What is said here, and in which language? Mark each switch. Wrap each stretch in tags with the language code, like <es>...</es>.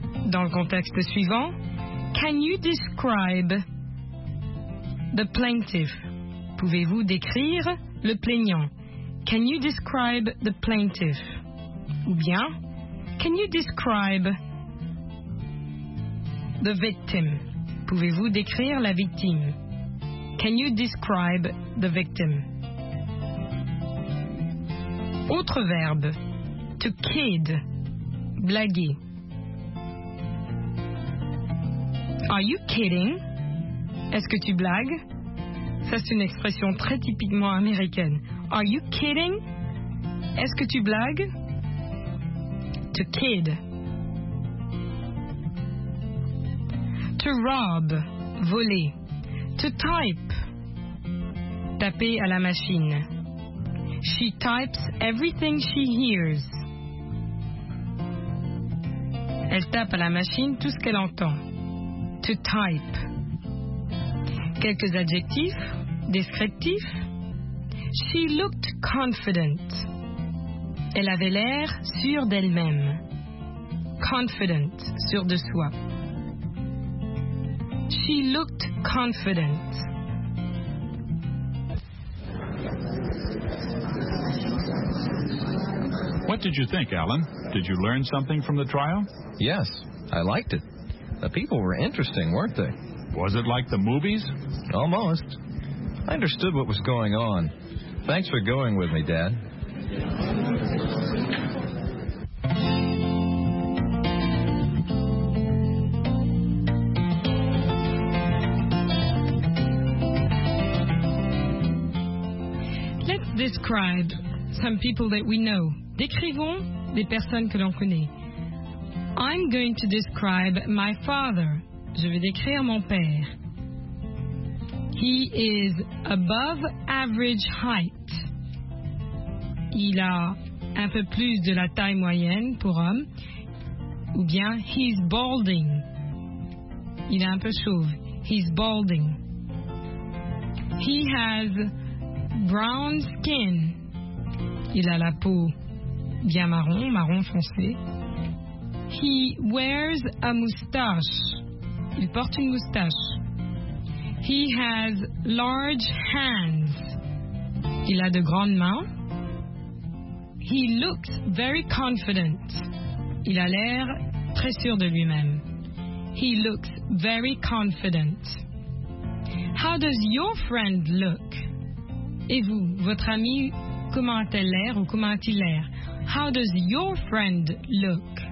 <fr>Dans le contexte suivant,</fr> <en>can you describe the plaintiff?</en> <fr>Pouvez-vous décrire le plaignant?</fr> <en>Can you describe the plaintiff?</en> <fr>Ou bien,</fr> <en>can you describe the victim?</en> <fr>Pouvez-vous décrire la victime?</fr> <en>Can you describe the victim?</en> <fr>Autre verbe.</fr> <en>To kid.</en> <fr>Blaguer.</fr> <en>Are you kidding?</en> <fr>Est-ce que tu blagues? Ça, c'est une expression très typiquement américaine.</fr> <en>Are you kidding?</en> <fr>Est-ce que tu blagues?</fr> <en>To kid. To rob, voler. To type,</en> <fr>taper à la machine.</fr> <en>She types everything she hears.</en> <fr>Elle tape à la machine tout ce qu'elle entend.</fr> <en>To type.</en> <fr>Quelques adjectifs, descriptifs.</fr> <en>She looked confident.</en> <fr>Elle avait l'air sûre d'elle-même. Confident, sûre de soi.</fr> <en>She looked confident. What did you think, Alan? Did you learn something from the trial? Yes, I liked it. The people were interesting, weren't they? Was it like the movies? Almost. I understood what was going on. Thanks for going with me, Dad. Describe some people that we know.</en> <fr>Décrivons des personnes que l'on connaît.</fr> <en>I'm going to describe my father.</en> <fr>Je vais décrire mon père.</fr> <en>He is above average height.</en> <fr>Il a un peu plus de la taille moyenne pour homme. Ou bien,</fr> <en>he's balding.</en> <fr>Il est un peu chauve.</fr> <en>He's balding. He has brown skin.</en> <fr>Il a la peau bien marron, marron foncé.</fr> <en>He wears a moustache.</en> <fr>Il porte une moustache.</fr> <en>He has large hands.</en> <fr>Il a de grandes mains.</fr> <en>He looks very confident.</en> <fr>Il a l'air très sûr de lui-même.</fr> <en>He looks very confident. How does your friend look?</en> <fr>Et vous, votre ami, comment a-t-elle l'air ou comment a-t-il l'air?</fr> <en>How does your friend look?</en>